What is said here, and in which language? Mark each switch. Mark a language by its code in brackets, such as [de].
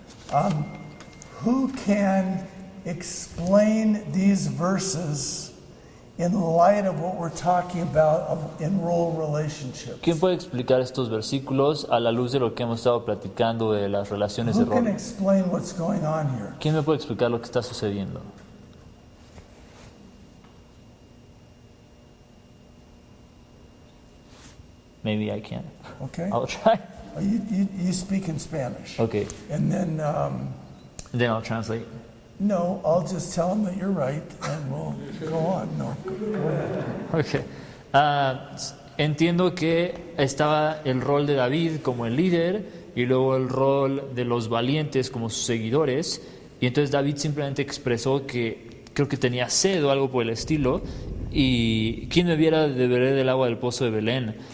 [en] Who can explain these verses in light of what we're talking about in role relationships? [es] ¿Quién puede explicar estos versículos a la luz de lo que hemos estado platicando de las relaciones de rol? [en] Who can explain what's going on here? [es] ¿Quién me puede explicar lo que está sucediendo? [en] Maybe I can. Okay. I'll try. You speak in Spanish. Okay. And then Then I'll translate. No, I'll just tell them that you're right, and we'll go on. No, go ahead. Okay. [es] Entiendo que estaba el rol de David como el líder, y luego el rol de los valientes como sus seguidores, y entonces David simplemente expresó que creo que tenía sed o algo por el estilo, y quién me viera de beber del agua del pozo de Belén.